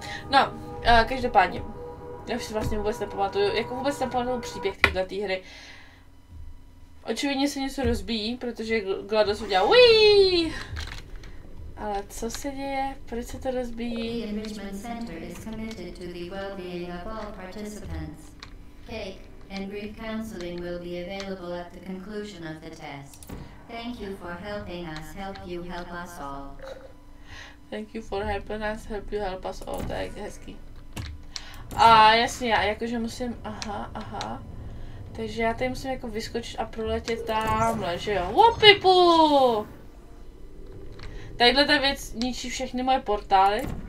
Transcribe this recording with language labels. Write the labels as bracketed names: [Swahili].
[Czech] No, každopádně. Já už si vlastně vůbec nepamatuju, jako vůbec nepamatuju příběh této tý hry. Očividně se něco rozbíjí, protože GLaDOS udělá uiii. Ale co se děje? Proč se to rozbíjí? [English] The enrichment center is committed to the well-being of all participants. Cake and brief counseling will be available at the conclusion of the test. Thank you for helping us help you help us all. Thank you for helping us help you help us all. [Czech] To je hezký. A jasně, já jakože musím... Aha. Takže já tady musím jako vyskočit a proletět tamhle, že jo? Whoopipu! Tadyhle ta věc ničí všechny moje portály.